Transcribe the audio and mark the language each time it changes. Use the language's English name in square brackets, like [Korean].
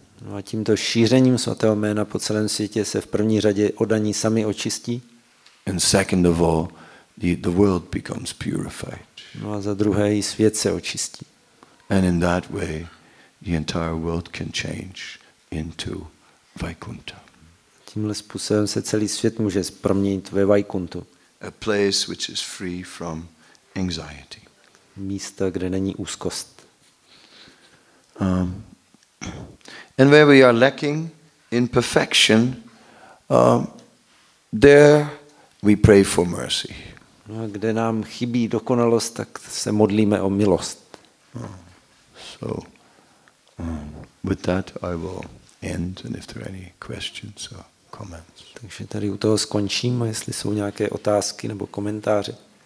[Czech] No a tímto šířením svatého jména po celém světě se v první řadě oddaní sami očistí. [English] And second of all, the world becomes purified. [Czech] No a za druhé i svět se očistí. [English] And in that way, the entire world can change into Vaikuntha. [Czech] Tímhle způsobem se celý svět může proměnit ve Vaikuntu. [English] A place which is free from anxiety. [Czech] Místo, kde není úzkost. [English] And where we are lacking in perfection, there we pray for mercy. [Czech] No, kde nám chybí dokonalost, tak se modlíme o milost. [English] So with that, I will end and if there are any questions or comments. [Czech] Takže tady u toho skončím, jestli jsou nějaké otázky nebo komentáře.